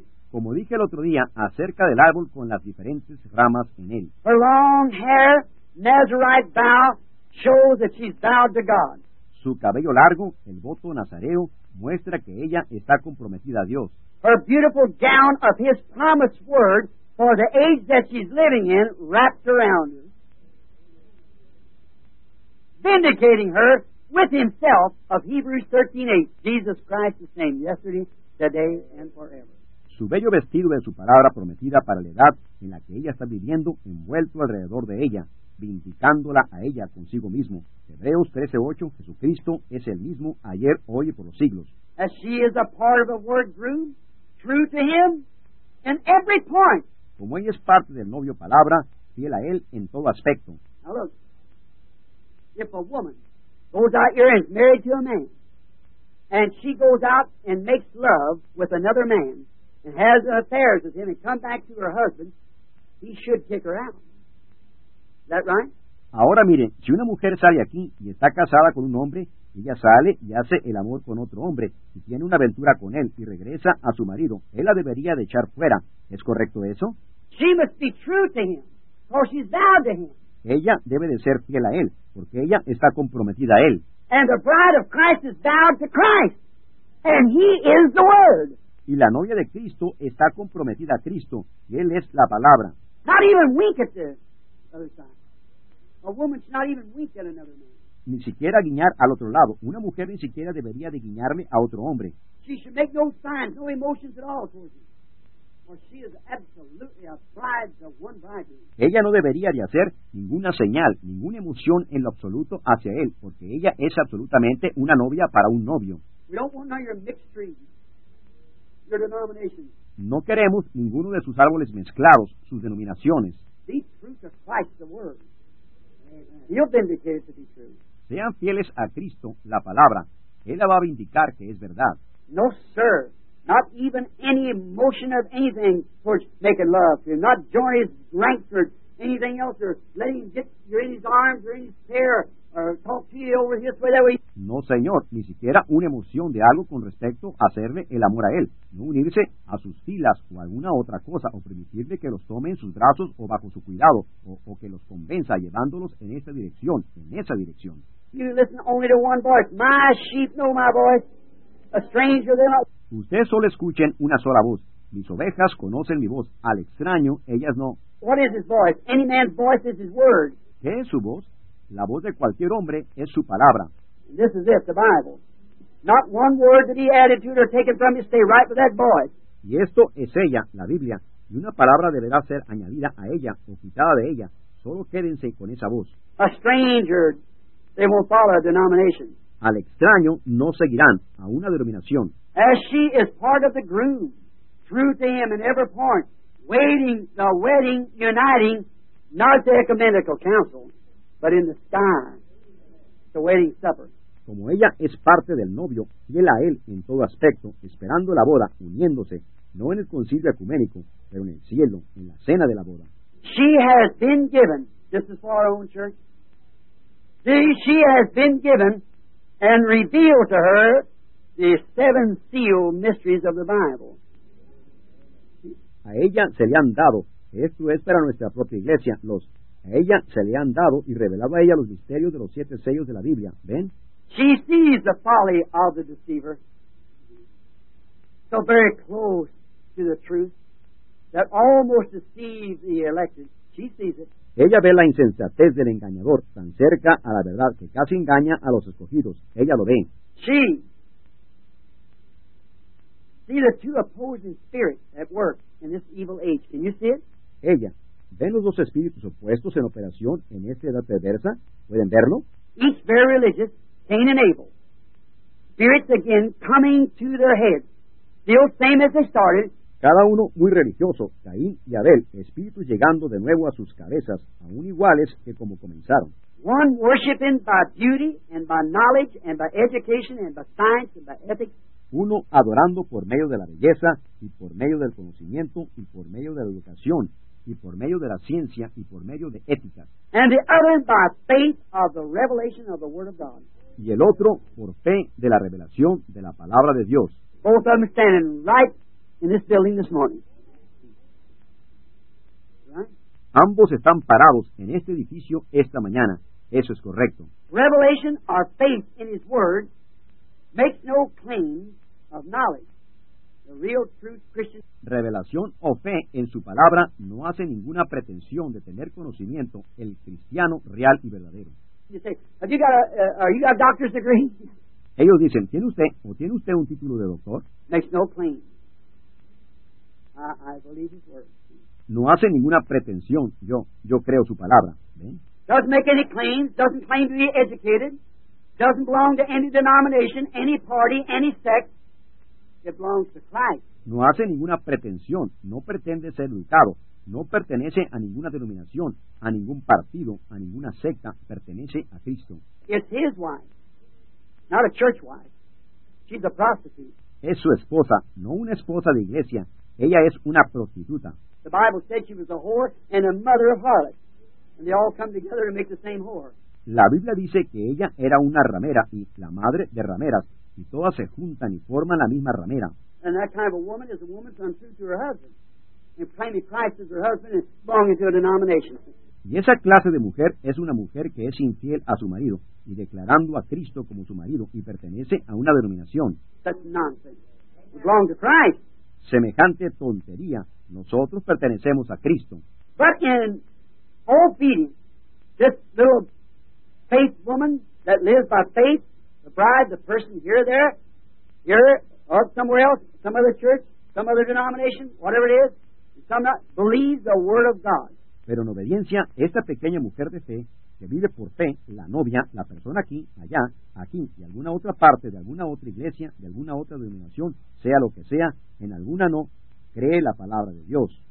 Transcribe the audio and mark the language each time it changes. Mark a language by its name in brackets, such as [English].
[Spanish] Como dije el otro día, acerca del árbol con las diferentes ramas en él. [English] Her long hair, Nazarite vow, shows that she's vowed to God. [Spanish] Su cabello largo, el voto nazareo, muestra que ella está comprometida a Dios. [English] Her beautiful gown of his promised word for the age that she's living in wrapped around her. Vindicating her with himself of Hebrews 13:8. Jesus Christ the same yesterday, today, and forever. [Spanish] Su bello vestido en su palabra prometida para la edad en la que ella está viviendo, envuelto alrededor de ella, vindicándola a ella consigo mismo. Hebreos 13:8, Jesucristo es el mismo ayer, hoy y por los siglos. [English] As she is a part of the word groom, true to him in every point. [Spanish] Como ella es parte del novio palabra, fiel a él en todo aspecto. [English] Now look, if a woman goes out here and is married to a man, and she goes out and makes love with another man, and has affairs with him, and come back to her husband, he should kick her out. Is that right? [Spanish] Ahora mire, si una mujer sale aquí y está casada con un hombre, ella sale y hace el amor con otro hombre, y tiene una aventura con él, y regresa a su marido, él la debería de echar fuera. ¿Es correcto eso? [English] She must be true to him, for she's vowed to him. [Spanish] Ella debe de ser fiel a él, porque ella está comprometida a él. [English] And the bride of Christ is vowed to Christ, and he is the word. [Spanish] Y la novia de Cristo está comprometida a Cristo, y él es la palabra. [English] Not even weak at this, brother Simon. A woman's not even weak at another man. [Spanish] Ni siquiera guiñar al otro lado. Una mujer ni siquiera debería de guiñarle a otro hombre. [English] She should make no signs, no emotions at all towards him. For she is absolutely a bride of one bridegroom. [Spanish] Ella no debería de hacer ninguna señal, ninguna emoción en lo absoluto hacia él, porque ella es absolutamente una novia para un novio. [English] We don't want none of your mixed trees, your denominations. [Spanish] No queremos ninguno de sus árboles mezclados, sus denominaciones. [English] Be true to Christ, the word. He'll vindicate it to be true. [Spanish] Sean fieles a Cristo, la palabra. Él la va a vindicar que es verdad. [English] No, sir. Not even any emotion of anything towards making love. You're not joining his rank or anything else, or letting him get you in his arms or in his hair, or talk to you over his way that way. [Spanish] No, señor. Ni siquiera una emoción de algo con respecto a hacerle el amor a él. No unirse a sus filas o alguna otra cosa, o permitirle que los tome en sus brazos o bajo su cuidado, o que los convenza llevándolos en esa dirección, en esa dirección. [English] You listen only to one voice. My sheep know my voice. A stranger they know. [Spanish] Ustedes solo escuchen una sola voz. Mis ovejas conocen mi voz. Al extraño, ellas no. [English] What is his voice? Any man's voice is his word. [Spanish] ¿Qué es su voz? La voz de cualquier hombre es su palabra. [English] This is it, the Bible. Not one word that he added to it or taken from you stay right with that voice. [Spanish] Y esto es ella, la Biblia. Y una palabra deberá ser añadida a ella o quitada de ella. Solo quédense con esa voz. [English] A stranger, they won't follow a denomination. [Spanish] Al extraño no seguirán a una denominación. [English] As she is part of the groom, true to him in every point, waiting the wedding, uniting, not the ecumenical council, but in the sky, the wedding supper. [Spanish] Como ella es parte del novio, fiel a él en todo aspecto, esperando la boda, uniéndose, no en el concilio ecuménico, pero en el cielo, en la cena de la boda. [English] She has been given, this is for our own church, she has been given and revealed to her the seven seal mysteries of the Bible. [Spanish] A ella se le han dado, esto es para nuestra propia iglesia, los a ella se le han dado y revelado a ella los misterios de los siete sellos de la Biblia. ¿Ven? [English] She sees the folly of the deceiver. So very close to the truth that almost deceives the elected. She sees it. [Spanish] Ella ve la insensatez del engañador tan cerca a la verdad que casi engaña a los escogidos. Ella lo ve. [English] She sees the two opposing spirits at work in this evil age. Can you see it? [Spanish] Ella. ¿Ven los dos espíritus opuestos en operación en esta edad perversa? ¿Pueden verlo? [English] Each very religious, Cain and Abel. Spirits again coming to their heads. Still same as they started. [Spanish] Cada uno muy religioso, Caín y Abel, espíritus llegando de nuevo a sus cabezas, aún iguales que como comenzaron. [English] One worshiping by beauty and by knowledge and by education and by science and by ethics. [Spanish] Uno adorando por medio de la belleza y por medio del conocimiento y por medio de la educación. Y por medio de la ciencia y por medio de ética. [English] And the other by faith of the revelation of the word of God. [Spanish] Y el otro por fe de la revelación de la palabra de Dios. [English] Both of them standing right in this building this morning. Right? [Spanish] Ambos están parados en este edificio esta mañana. Eso es correcto. [English] Revelation or faith in his word makes no claim of knowledge. The real truth, Christian. [Spanish] Revelación o fe en su palabra no hace ninguna pretensión de tener conocimiento, el cristiano real y verdadero. [English] You say, have you got a doctor's degree? [Spanish] Ellos dicen, ¿tiene usted un título de doctor? [English] Makes no claim. I believe his word. [Spanish] No hace ninguna pretensión. Yo creo su palabra. ¿Ven? [English] Doesn't make any claims. Doesn't claim to be educated. Doesn't belong to any denomination, any party, any sect. It belongs to Christ. [Spanish] No hace ninguna pretensión. No pretende ser educado. No pertenece a ninguna denominación, a ningún partido, a ninguna secta. Pertenece a Cristo. [English] It's his wife, not a church wife. She's a prostitute. [Spanish] Es su esposa, no una esposa de iglesia. Ella es una prostituta. [English] The Bible said she was a whore and a mother of harlots. And they all come together to make the same whore. [Spanish] La Biblia dice que ella era una ramera y la madre de rameras. Y todas se juntan y forman la misma ramera. [English] And that kind of a woman is a woman who's untrue to her husband. And claiming Christ as her husband is belonging to a denomination. [Spanish] Y esa clase de mujer es una mujer que es infiel a su marido y declarando a Cristo como su marido y pertenece a una denominación. [English] That's nonsense. We belong to Christ. [Spanish] Semejante tontería. Nosotros pertenecemos a Cristo. [English] But in obedience, this little faith woman that lives by faith, the bride, the person here, there, here, or somewhere else, some other church, some other denomination, whatever it is, some not, believes the word of God. [Spanish] Pero en obediencia, esta pequeña mujer de fe, que vive por fe, la novia, la persona aquí, allá, aquí, de alguna otra parte, de alguna otra iglesia, de alguna otra denominación, sea lo que sea, en alguna no, cree la palabra de Dios.